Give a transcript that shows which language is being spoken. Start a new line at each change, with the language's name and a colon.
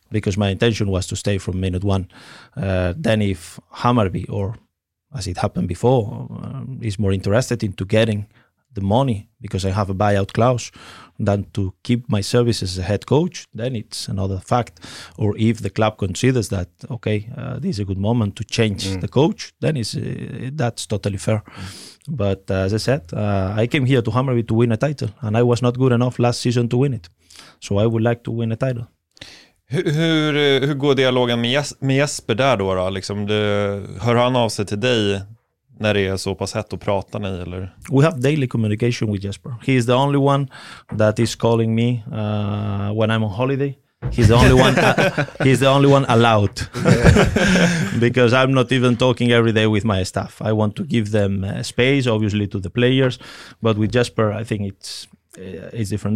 English: Because my intention was to stay from minute one. Then if Hammarby, or as it happened before, is more interested into getting the money because I have a buyout clause than to keep my services as a head coach, then it's another fact. Or if the club considers that, okay, this is a good moment to change the coach, then it's, that's totally fair. But as I said, I came here to Hammarby to win a title and I was not good enough last season to win it. So I would like to win a title.
Swedish: Hur går dialogen med Jesper där då? Då? Liksom det, hör han av sig till dig när det är så pass hett att prata ni? Eller?
English: We have daily communication with Jesper. He is the only one that is calling me when I'm on holiday. He's the only one allowed. Because I'm not even talking every day with my staff. I want to give them space, obviously, to the players. But with Jesper, I think it's different.